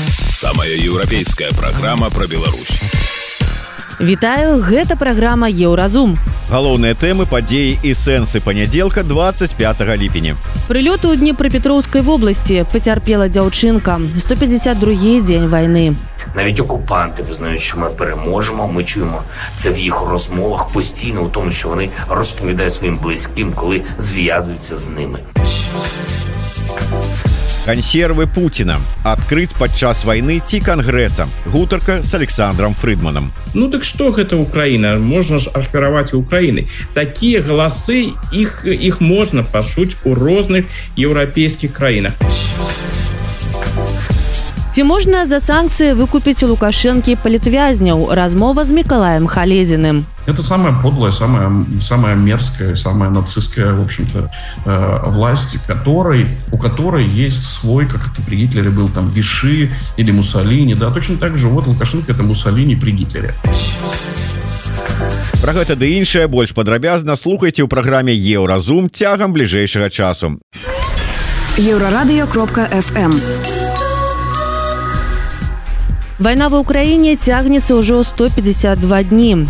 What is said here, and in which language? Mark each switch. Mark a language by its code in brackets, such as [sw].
[be] Самая еўрапейская праграма пра Беларусь. Вітаю, гэта праграма Еўразум. Галоўныя тэмы, падзеі і сэнсы панядзелка 25 ліпеня. Прылёт у Днепрапетроўскай вобласці, пацярпела дзяўчынка. 152-й дзень вайны. [uk] Навіть окупанты визнають, що ми переможемо, ми чуємо це в їх розмовах постійно, у тому, що вони розповідають своїм близьким, коли зв'язуються з ними. Консервы Путіна. [be] Адкрыць падчас вайны ці кангрэса. Гутарка з Александрам Фрыдманам. Ну так што гэта Украіна? Можна ж афіраваць Украіны. Такія галасы, іх можна пачуць у розных еўрапейскіх краінах. Ці можна за санкцыі выкупіць у Лукашэнкі палітвязняў? Размова з Мікалаем Халезіным. [ru] Это самая подлая, самая мерзкая, самая нацистская, в общем-то, власть, у которой есть свой, как это при Гитлере был, там, Виши или Муссолини. Да, точно так же, вот Лукашенко – это Муссолини при Гитлере. [be] Про гэта да іншае больш падрабязна слухайте у праграме «Еўразум» тягам бліжэйшага часу. Еўрарадыё.фм. Вайна ва Украіне цягнецца ўжо 152 дні.